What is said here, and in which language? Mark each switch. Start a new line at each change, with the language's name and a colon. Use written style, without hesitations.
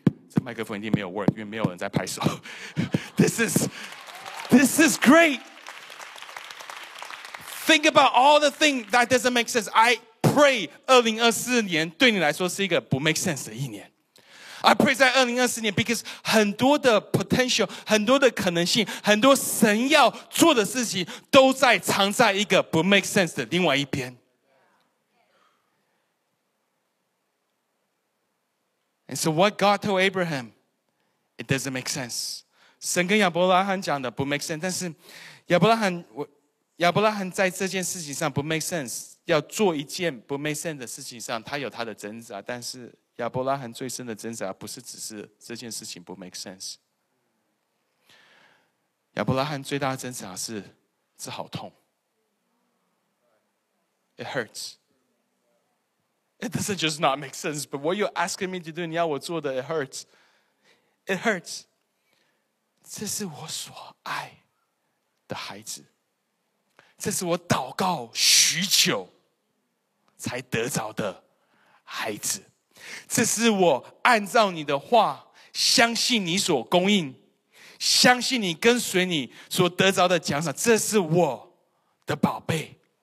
Chinese: 这麦克风一定没有 work， 因为没有人在拍手。
English: This is great. Think about all the things that doesn't make sense. I pray
Chinese: 2024年对你来说是一个不 make sense 的一年。
English: I pray
Chinese: 在2024年 because 很多的 potential, 很多的可能性，很多神要做的事情都在藏在一个不 make sense 的另外一边。
English: And so what God told Abraham, it doesn't make sense.
Chinese: 神跟亚伯拉罕讲的不 make sense， 但是亚伯拉罕在这件事情上不 make sense， 要做一件不 make sense 的事情上，他有他的挣扎。但是亚伯拉罕最深的挣扎不是只是这件事情不 make sense， 亚伯拉罕最大的挣扎是这好痛。
English: It hurts. It doesn't just not make sense, but what you're asking me to do，
Chinese: 你要我做的
English: it hurts. It hurts.
Chinese: 这是我所爱的孩子，这是我祷告许久才得着的孩子，这是我按照你的话相信你所供应，相信你跟随你所得着的奖赏，这是我的宝贝。